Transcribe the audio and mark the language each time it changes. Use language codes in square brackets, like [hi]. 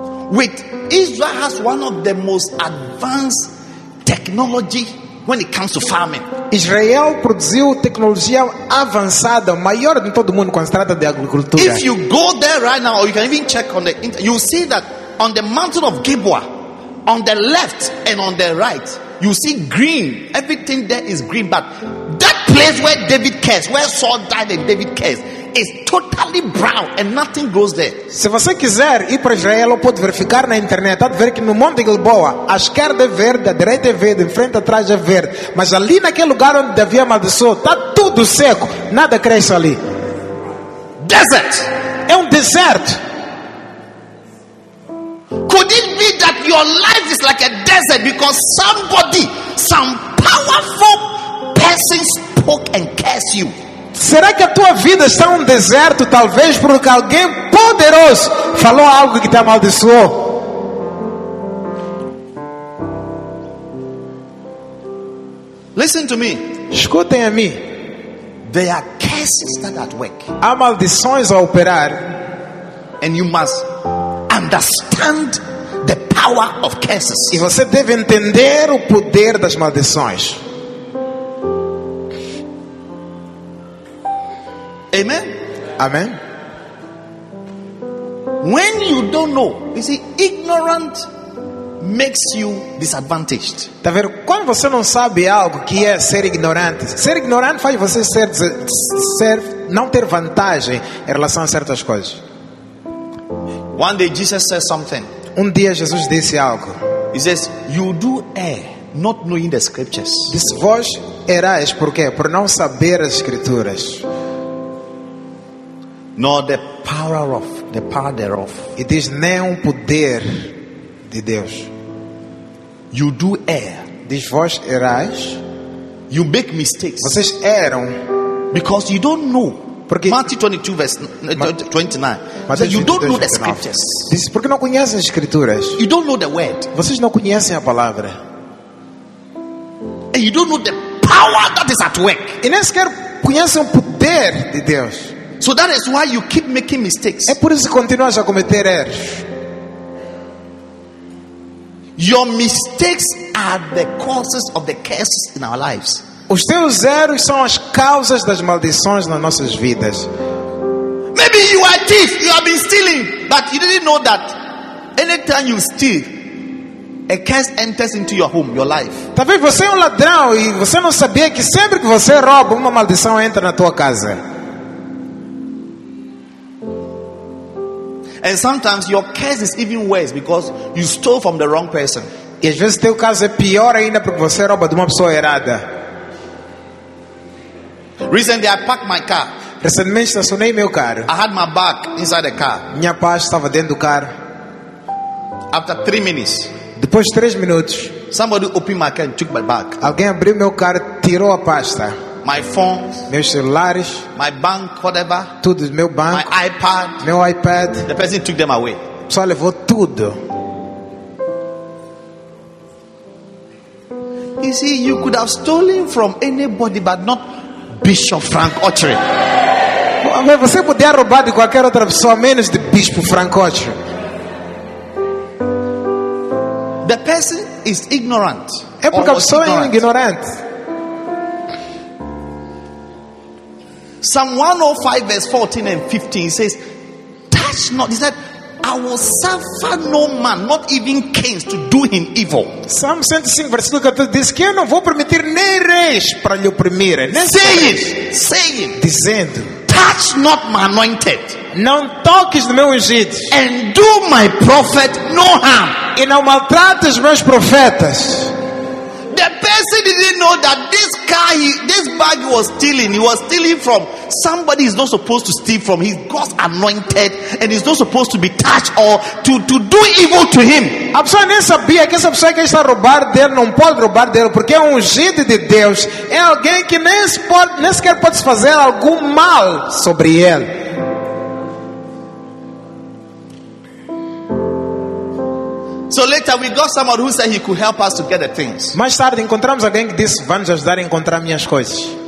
[en] Wait, Israel has one of the most advanced technology when it comes to farming. [pt] Israel produziu tecnologia avançada, maior de todo mundo quando se trata de agricultura. [en] If you go there right now, or you can even check on the internet, you see that on the mountain of Gilboa, on the left and on the right, you see green. Everything there is green, but that place where David cursed, where Saul died and David cursed, is totally brown and nothing grows there. [pt] Se você quiser ir para Israel, ou pode verificar na internet, pode ver que no Monte Gilboa, à esquerda é verde, à direita é verde, em frente atrás é verde. Mas ali naquele lugar onde Davi amaldiçoou, está tudo seco, nada cresce ali. [en] Desert. [pt] É deserto. [en] Could it be that your life is like a desert because somebody, some powerful person spoke and cursed you? [pt] Será que a tua vida está deserto, talvez porque alguém poderoso falou algo que te amaldiçoou? [en] Listen to me. [pt] Escutem a mim. [en] There are curses that at work. [pt] Há maldições a operar. [en] And you must understand the power of curses. [pt] E você deve entender o poder das maldições. Amen. Amen. [en] When you don't know, you see, ignorant makes you disadvantaged. [pt] Tá vendo? Quando você não sabe algo, que é ser ignorante. Ser ignorante faz você ser não ter vantagem em relação a certas coisas. [en] One day Jesus said something. [pt] Dia Jesus disse algo. [en] He says, "You do err, not knowing the scriptures." [pt] Diz, vós errais por quê? Por não saber as escrituras. [en] Nor the power of the power thereof. It is [pt] nem poder de Deus. [en] You do err. [pt] Diz, vós errais. [en] You make mistakes. [pt] Vocês erram [en] because you don't know. [pt] Porque [en] Matthew 22 verse 29. So you don't know the scriptures. [pt] Diz, porque não conhecem as escrituras. [en] You don't know the word. [pt] Vocês não conhecem a palavra. [en] And you don't know the power that is at work. [pt] E nem sequer conhecem o poder de Deus. [en] So that is why you keep making mistakes. [pt] É por isso que continuas a cometer erros. [en] Your mistakes are the causes of the curses in our lives. [pt] Os teus erros são as causas das maldições nas nossas vidas. [en] Maybe you are a thief, you have been stealing, but you didn't know that anytime you steal, a curse enters into your home, your life. [pt] Talvez você é ladrão e você não sabia que sempre que você rouba, uma maldição entra na tua casa. [en] And sometimes your case is even worse because you stole from the wrong person. [pt] E às vezes teu caso é pior ainda porque você rouba de uma pessoa errada. [en] Recently I parked my car. [pt] Recentemente estacionei meu carro. [en] I had my bag inside the car. [pt] Minha pasta estava dentro do carro. [en] After 3 minutes. [pt] Depois de 3 minutes. [en] Somebody opened my car and took my bag. [pt] Alguém abriu meu carro, tirou a pasta. [en] My phone, [pt] meus celulares, [en] my bank, whatever, [pt] tudo, meu banco, [en] my iPad, [pt] meu iPad, [en] the person took them away. [pt] Só levou tudo. [en] You see, you could have stolen from anybody, but not Bishop Frank Autry. [pt] Você podia roubar de qualquer outra pessoa, menos de Bispo Frank Autry. [en] The person is ignorant. [pt] É porque a pessoa é ignorante. [en] Psalm 105 verse 14 and 15 says, touch not, he said, I will suffer no man, not even kings, to do him evil. [pt] Psalm 105, versículo 14, diz que eu não vou permitir nem reis para lhe oprimir. [en] Saying, [pt] dizendo, [en] touch not my anointed. [pt] Não toques no meu ungido. [en] And do my prophet no harm. [pt] E não maltrates meus profetas. [en] The person didn't know that this car, this bag he was stealing. He was stealing from somebody he's not supposed to steal from. He's God's anointed and he's not supposed to be touched or to do evil to him. [pt] A pessoa nem sabia que essa pessoa que está a roubar dele não pode roubar dele porque é ungido de Deus. É alguém que nem sequer pode fazer algum mal sobre ele. [en] So later we got someone who said he could help us to get the things. [pt] Mais tarde encontramos alguém que disse vamos ajudar a encontrar minhas coisas.